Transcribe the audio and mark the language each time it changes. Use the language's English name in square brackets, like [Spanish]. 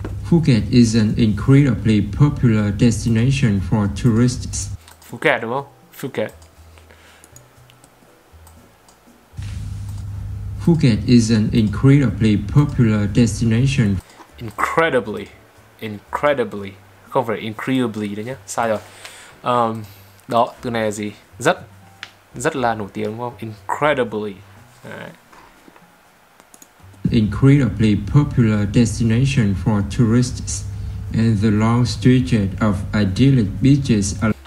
[English] Phuket is an incredibly popular destination for tourists. [Vietnamese] Phuket đúng không? Phuket. [English] Phuket is an incredibly popular destination. Incredibly. Incredibly. [Vietnamese] Không phải incredibly đấy nhá. Sai rồi. Đó, từ này là gì? Rất. Rất là nổi tiếng đúng không? [English] Incredibly. Incredibly popular destination for tourists and the long stretch of idyllic beaches.